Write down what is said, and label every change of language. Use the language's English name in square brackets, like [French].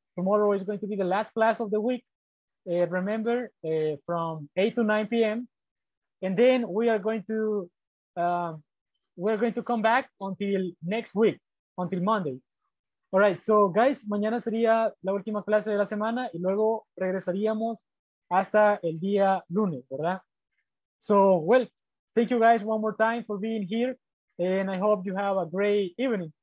[English] Tomorrow is going to be the last class of the week. Remember, from 8 to 9 p.m. And then we are going to... we're going to come back until next week, until Monday. All right, so guys, [Spanish] mañana sería la última clase de la semana y luego regresaríamos hasta el día lunes, ¿verdad? [English] So, well, thank you guys one more time for being here, and I hope you have a great evening.